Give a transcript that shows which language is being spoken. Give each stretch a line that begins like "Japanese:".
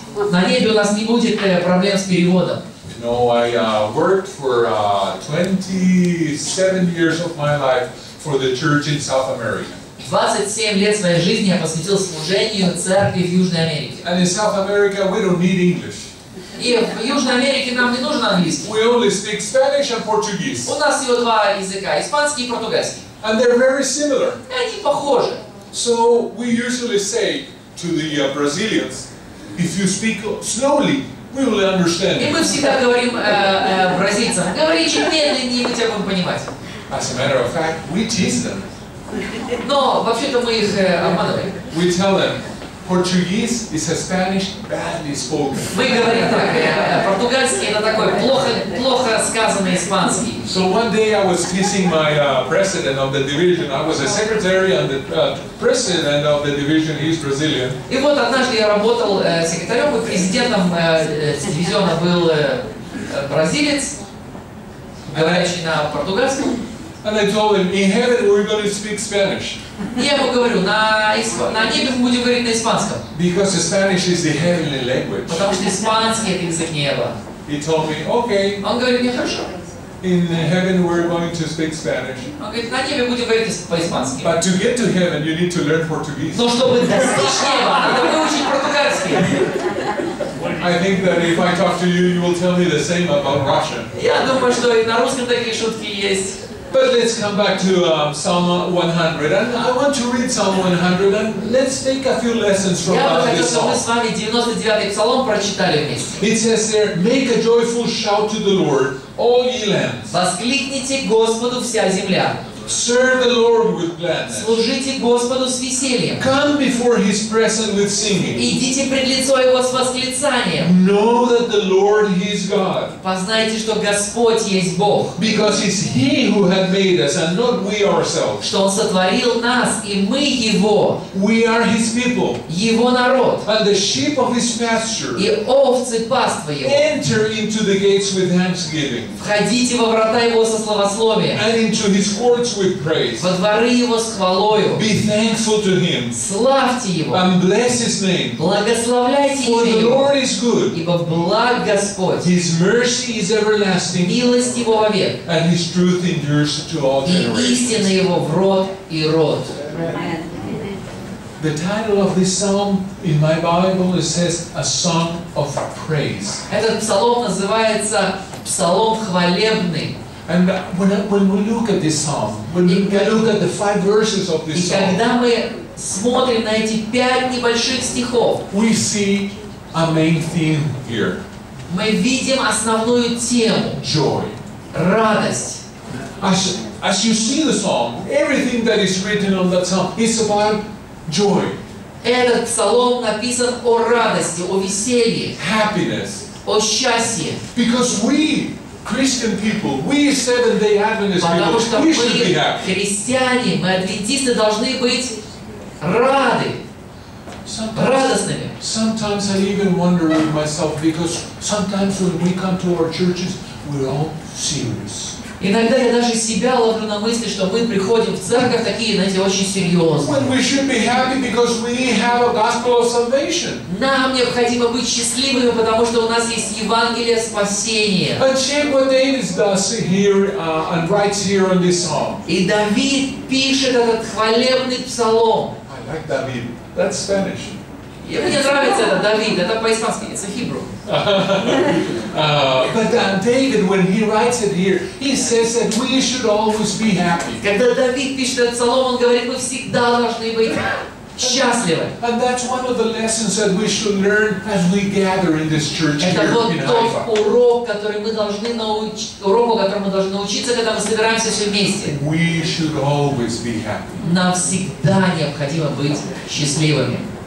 Russian: На небе у нас не будет проблем с переводом.
English: You know, I worked for 27 years of my life for the church in South America.
Russian: 27 лет своей жизни я посвятил служению церкви в Южной Америке.
English: And in South America we don't need English.
Russian: И в Южной Америке нам не нужен английский.
English: We only speak Spanish and Portuguese.
Russian: У нас всего два языка, испанский и португальский.
English: And they're very similar.
Russian: Они похожи.
English: So we usually say to the Brazilians, if you speak slowly, we will understand.
Russian: И мы всегда говорим бразильцам: говори чуть медленнее, мы тебя будем понимать.
English: As a matter of fact, we tease them.
Russian: Но вообще-то мы их обманываем.
English: We tell them Portuguese is a Spanish badly spoken.
Russian: Мы говорим так: португальский — это такой плохо сказанный испанский.
English: So one day I was teasing my president of the division. I was a secretary and the president of the division. He's Brazilian.
Russian: И вот однажды я работал секретарем, и президентом дивизиона был бразилец, говорящий на португальском.
English: And I told him, in heaven we're going to speak Spanish.
Russian: Я ему говорю: на небе мы будем говорить на испанском.
English: Because Spanish is the heavenly language.
Russian: Потому что испанский — это язык неба.
English: He told me, okay.
Russian: Он говорит мне: хорошо.
English: In heaven we're going to speak Spanish.
Russian: Он говорит: на небе будем говорить по-испански.
English: But to get to heaven you need to learn Portuguese.
Russian: Но чтобы достичь неба, надо выучить португальский.
English: I think that if I talk to you, you will tell me the same about Russian.
Russian: Я думаю, что и на русском такие шутки есть.
English: But let's come back to Psalm 100, and I want to read Psalm 100, and let's take a few lessons from this psalm.
Russian: Я бы хотел, чтобы мы с вами 99-й псалом прочитали вместе.
English: It says there, make a joyful shout to the Lord, all ye lands.
Russian: Воскликните Господу вся земля.
English: Serve the Lord with gladness.
Russian: Служите Господу с весельем.
English: Come before His presence with singing.
Russian: Идите пред лицо Его с восклицанием.
English: Know that the Lord He is God.
Russian: Познайте, что Господь есть Бог.
English: Because it's He who had made us, and not we ourselves.
Russian: Что Он сотворил нас, и мы Его.
English: We are His people.
Russian: Его народ.
English: And the sheep of His pasture.
Russian: И овцы паства Его.
English: Enter into the gates with thanksgiving.
Russian: Входите во врата Его со славословием.
English: And into His courts with praise.
Russian: Во дворы Его с хвалою.
English: Be thankful to Him.
Russian: Славьте Его.
English: And bless His name.
Russian: Благословляйте Его.
English: For the Lord is good.
Russian: Ибо благ Господь.
English: His mercy is everlasting.
Russian: Милость Его вовек.
English: And His truth endures to all generations.
Russian: И истина Его в род и род.
English: The title of this psalm in my Bible, it says a song of praise.
Russian: Этот псалом называется псалом хвалебный.
English: And when we look at this psalm, when we look at the five verses of this psalm,
Russian: и когда мы смотрим на эти пять небольших стихов,
English: we see a main theme here.
Russian: Мы видим основную тему.
English: Joy.
Russian: Радость.
English: As you see the psalm, everything that is written on that psalm is about joy.
Russian: Этот псалом написан о радости, о веселье.
English: Happiness.
Russian: О счастье.
English: Because we Christian people, we Seventh-day Adventist people, we should be happy.
Russian: Потому что мы христиане, мы адвентисты должны быть рады, радостными.
English: Sometimes I even wonder with myself, because sometimes when we come to our churches, we're all serious.
Russian: Иногда я даже себя ловлю на мысли, что мы приходим в церковь такие, знаете, очень серьезные.
English: When we should be happy because we have a gospel of salvation.
Russian: Нам необходимо быть счастливыми, потому что у нас есть Евангелие спасения.
English: And check what David does here and writes here on this psalm.
Russian: И Давид пишет этот хвалебный псалом.
English: I like David. That's Spanish.
Russian: Мне нравится это Давид. Это по-испански, это Hebrew.
English: David, when he writes it here, he says that we should always be happy.
Russian: Когда Давид пишет этот псалом, он говорит, мы всегда должны быть счастливы.
English: And that's one of the lessons that we should learn as we gather in this church here in Haifa.
Russian: Это вот тот урок, который мы должны научить, уроку, которому мы должны учиться, когда мы собираемся все вместе.
English: We should always be happy.
Russian: Нам всегда необходимо быть счастливыми.